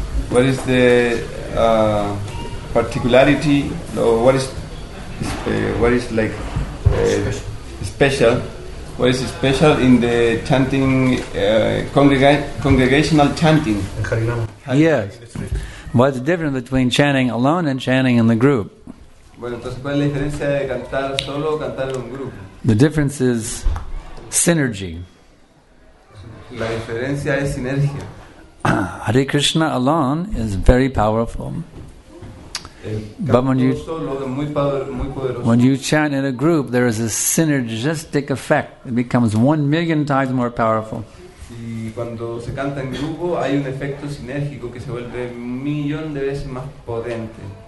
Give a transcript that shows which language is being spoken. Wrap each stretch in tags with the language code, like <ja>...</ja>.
<en>What is the particularity, or what is special in the chanting, congregational chanting?</en> <es>En Harinama.</es> <en>Yes. What's different between chanting alone and chanting in the group?</en> <es>Bueno, entonces, ¿cuál es la diferencia de cantar solo o cantar en un grupo?</es> <en>The difference is synergy.</en> <es>La diferencia es sinergia.</es> <en>Hare Krishna alone is very powerful. But when you chant in a group, there is a synergistic effect. It becomes 1,000,000 times more powerful.</en> <es>Y cuando se canta en grupo, hay un efecto sinérgico que se vuelve 1,000,000 de veces más potente.</es>